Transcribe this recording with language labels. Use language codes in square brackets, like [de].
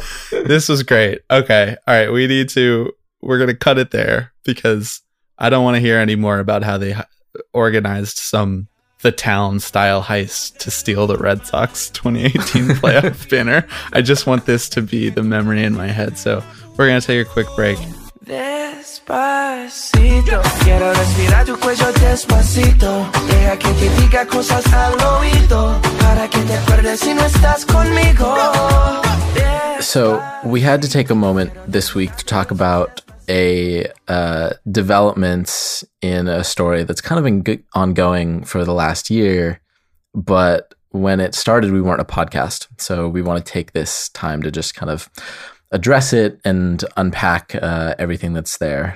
[en] This was great. Okay. All right. We're going to cut it there because I don't want to hear any more about how they organized the town style heist to steal the Red Sox 2018 playoff banner. I just want this to be the memory in my head. So we're going to take a quick break. [es] Despacito, quiero respirar tu cuello despacito. Deja que te diga cosas al oído para que te acuerdes si no estás conmigo. [en] So we had to take a moment this week to talk about a development in a story that's kind of been ongoing for the last year, but when it started, we weren't a podcast, so we want to take this time to just kind of address it and unpack everything that's there.